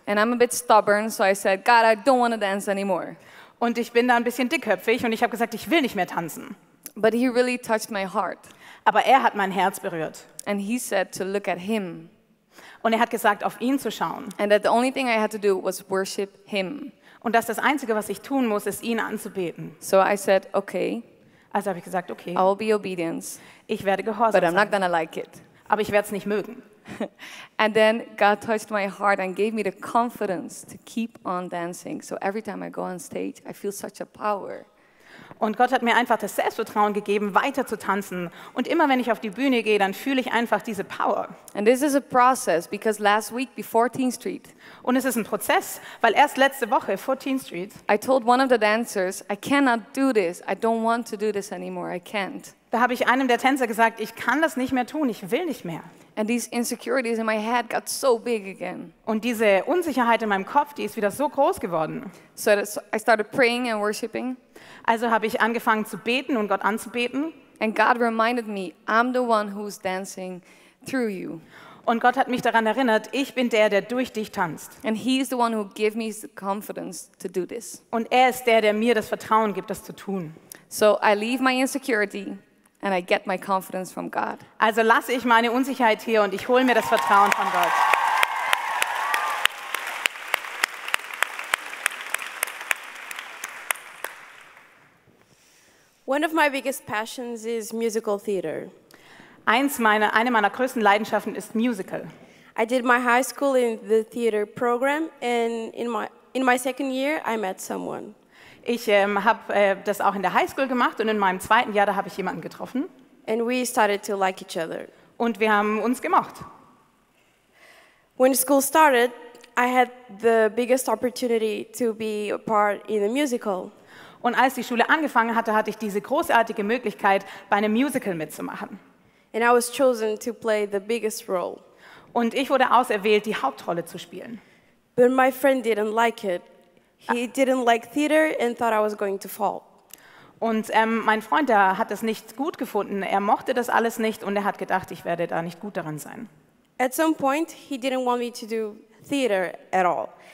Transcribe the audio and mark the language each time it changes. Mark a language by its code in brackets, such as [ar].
[en] And I'm a bit stubborn, so I said, God, I don't want to dance anymore. [de] Und ich bin da ein bisschen dickköpfig und ich habe gesagt, ich will nicht mehr tanzen. [en] But he really touched my heart. [de] Aber er hat mein Herz berührt. [en] And he said to look at him. [de] Und er hat gesagt, auf ihn zu schauen. [en] And that the only thing I had to do was worship him. [de] Und dass das Einzige, was ich tun muss, ist, ihn anzubeten. [en] So I said, okay. [de] Also habe ich gesagt, okay. [en] I will be obedient. [de] Ich werde gehorsam sein. [en] But I'm not gonna like it. [de] Aber ich werde es nicht mögen. [en] And then God touched my heart and gave me the confidence to keep on dancing. So every time I go on stage, I feel such a power. [de] Und Gott hat mir einfach das Selbstvertrauen gegeben, weiter zu tanzen. Und immer wenn ich auf die Bühne gehe, dann fühle ich einfach diese Power. [en] And this is a process because last week before TeenStreet. [de] Und es ist ein Prozess, weil erst letzte Woche vor TeenStreet. [en] I told one of the dancers, I cannot do this. I don't want to do this anymore. I can't. [de] Da habe ich einem der Tänzer gesagt, ich kann das nicht mehr tun. Ich will nicht mehr. [en] And these insecurities in my head got so big again. [de] Und diese Unsicherheit in meinem Kopf, die ist wieder so groß geworden. [en] So I started praying and worshiping. [de] Also habe ich angefangen zu beten und Gott anzubeten. [en] And God reminded me, I'm the one who's dancing through you. [de] Und Gott hat mich daran erinnert, ich bin der, der durch dich tanzt. [en] And he is the one who gave me the confidence to do this. [de] Und er ist der, der mir das Vertrauen gibt, das zu tun. [en] So I leave my insecurity and I get my confidence from God. [de] Also lasse ich meine Unsicherheit hier und ich hole mir das Vertrauen von Gott. [en] One of my biggest passions is musical theater. [de] Eine meiner größten Leidenschaften ist Musical. [en] I did my high school in the theater program and in my second year I met someone. [de] Ich habe das auch in der High School gemacht und in meinem zweiten Jahr, da habe ich jemanden getroffen. [en] And we started to like each other. [de] Und wir haben uns gemocht. [en] When school started, I had the biggest opportunity to be a part in a musical. [de] Und als die Schule angefangen hatte, hatte ich diese großartige Möglichkeit, bei einem Musical mitzumachen. [en] And I was chosen to play the biggest role. [de] Und ich wurde auserwählt, die Hauptrolle zu spielen. [en] But my friend didn't like it. He didn't like theater and thought I was going to fall. [de] Und mein Freund, der hat das nicht gut gefunden. Er mochte das alles nicht und er hat gedacht, ich werde da nicht gut daran sein. [en] At some point, he didn't want me to do theater at all.